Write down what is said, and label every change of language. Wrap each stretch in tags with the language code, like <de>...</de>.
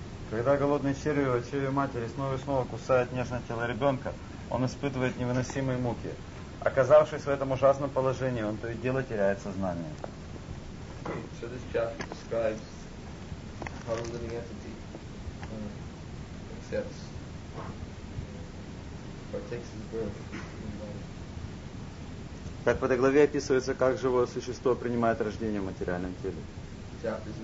<ru>Когда голодный червь в чреве матери снова и снова кусает нежное тело ребенка, он испытывает невыносимые муки. Оказавшись в этом ужасном положении, он то и дело теряет сознание.</ru> <en>So this chapter describes how a living entity accepts, partakes his birth in life.</en> <ru>Так в этой главе описывается, как живое существо принимает рождение в материальном теле.</ru>